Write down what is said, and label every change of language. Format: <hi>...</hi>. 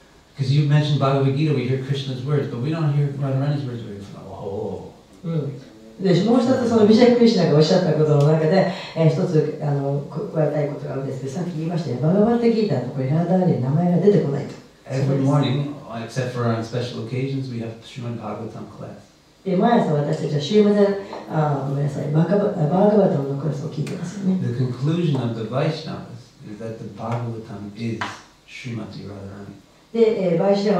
<en>Because you mentioned Bhagavad Gita, we hear Krishna's words, but we don't hear Radharani's words. We go, oh.</en> <ja>で、もう一つそのビジャイクリシナがおっしゃったことの中で、え、一つ加えたいことがあるんですけど、さっき言いましたね。バガバッタギータとこれラーダーで名前が出てこないと。</ja> <en>Every morning, except for on special occasions, we have Srimad Bhagavatam class.</en> <ja>で、毎朝私たちは週末、ごめんなさい、バガバッタのクラスを聞いてますよね。</ja> <en>The conclusion of the Vaishnavas is that the Bhagavatam is Srimati Radharani.</en>